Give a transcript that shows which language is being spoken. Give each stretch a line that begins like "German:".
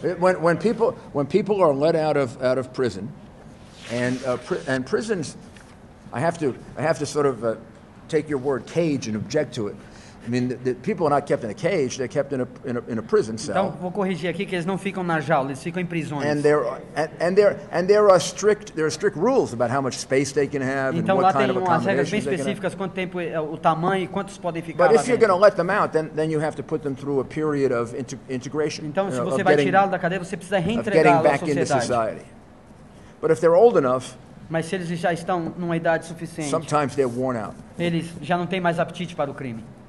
English: When people are let out of prison, and prisons, I have to sort of take your word cage and object to it. I mean, the people are not kept in a cage; they're kept in a prison cell.
Portuguese: Então vou corrigir aqui que eles não ficam na jaula; eles ficam em prisões.
English: And there are strict rules about how much space they can have
Portuguese: então,
English: and what kind of accommodations.
Portuguese: Então lá tem umas regras bem específicas quanto tempo o tamanho e quantos podem ficar.
English: But
Portuguese: lá
English: if you're going to let them out, then you have to put them through a period of integration.
Portuguese: Então se você vai tirá-lo da cadeia, você precisa reintegrá-lo à sociedade.
English: Getting back into society. But if they're old enough.
Portuguese: Mas se eles já estão numa idade suficiente.
English: Sometimes they're worn out.
Portuguese: Eles já não têm mais apetite para o crime.